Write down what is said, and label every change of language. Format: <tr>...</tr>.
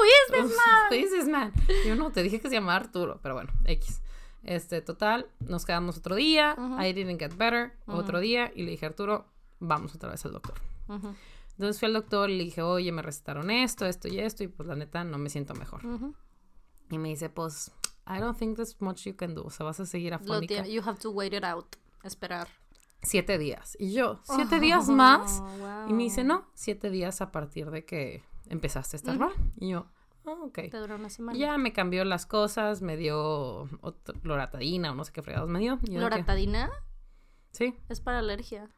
<en>Who is this man?</en> <es>Yo no, te dije que se llamaba Arturo, pero bueno, X. Total, nos quedamos otro día.</es> <en>I didn't get better.</en> <es>Otro día, y le dije a Arturo, vamos otra vez al doctor. Entonces fui al doctor y le dije, oye, me recetaron esto, esto y esto, y pues la neta, no me siento mejor. Y me dice, pues,</es> <en>I don't think there's much you can do,</en> <es>o sea, vas a seguir afónica.</es> <en>You have to wait it out, esperar</en> <es>7 días, y yo, ¿7 días más? Y me dice, no, 7 días a partir de que empezaste a estar mal. Y yo, ok. Te duró una semana. Ya me cambió las cosas, me dio loratadina o no sé qué fregados me dio. ¿Loratadina? Sí. Es para alergia.</es>